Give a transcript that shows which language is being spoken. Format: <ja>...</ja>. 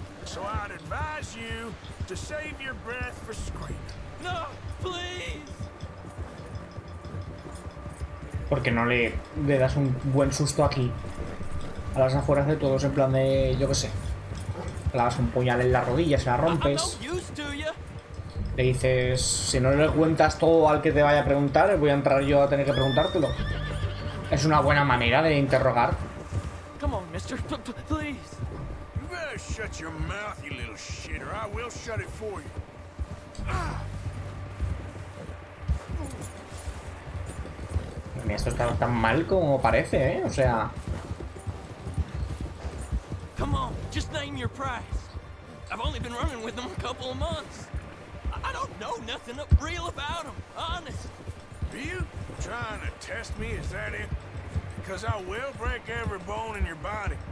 <en>So I'd advise you to save your breath for screaming. No, please.</en> <es>Porque no le das un buen susto aquí. a las afueras de todos, en plan de, yo qué sé, le das un puñal en la rodilla, se la rompes, le dices, si no le cuentas todo al que te vaya a preguntar, voy a entrar yo a tener que preguntártelo. Es una buena manera de interrogar.</es> <en>Come on, mister, please. You better shut your mouth, you little shitter. I will shut it for you.</en> <es>Esto está tan mal como parece, ¿eh? O sea...</es> <en>Come on, just name your price. I've only been running with them a couple of months. I don't know nothing real about them, honest. Are you trying to test me, is that it? Because I will break every bone in your body.</en>